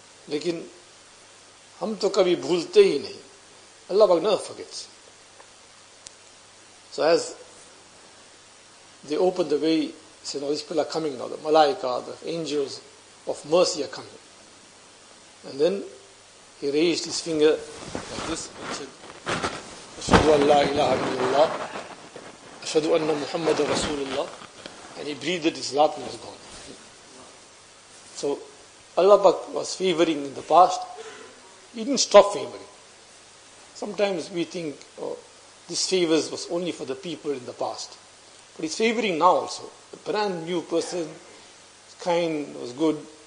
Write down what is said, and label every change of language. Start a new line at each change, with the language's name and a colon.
Hindi: Lekin hum to kabhi bhoolte hi nahi.
English: Allah never forgets. So as they open the way, say, now these people are coming now, the malaika, the angels of mercy are coming. And then he raised his finger like this and said,
Arabic: أَشْهَدُ أَنْ لَا إِلَهَ إِلَّا اللَّهُ أَشْهَدُ أَنَّ مُحَمَّدَ رَسُولُ اللَّهُ.
English: And he breathed his last and was gone. So Allah Pak was favoring in the past. He didn't stop favoring. Sometimes we think this favor was only for the people in the past. But he's favoring now also. A brand new person, kind, was good.